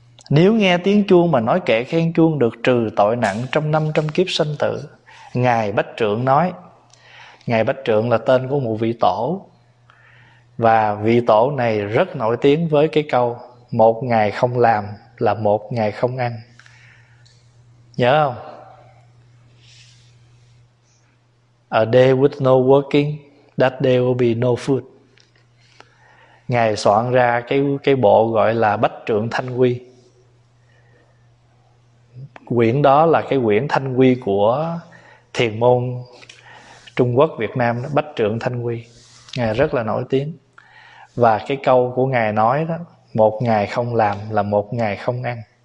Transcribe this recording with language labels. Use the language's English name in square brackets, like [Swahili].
[Vietnamese] Nếu nghe tiếng chuông mà nói kệ khen chuông được trừ tội nặng trong 500 kiếp sanh tử. Ngài Bách Trượng nói, Ngài Bách Trượng là tên của một vị tổ, và vị tổ này rất nổi tiếng với cái câu: một ngày không làm là một ngày không ăn. Nhớ không? [English] A day with no working, that day will be no food. [Vietnamese] Ngài soạn ra cái bộ gọi là Bách Trượng Thanh Quy. Quyển đó là cái quyển Thanh Quy của thiền môn Trung Quốc Việt Nam đó, Bách Trượng Thanh Quy. Ngài rất là nổi tiếng. Và cái câu của Ngài nói đó: một ngày không làm là một ngày không ăn.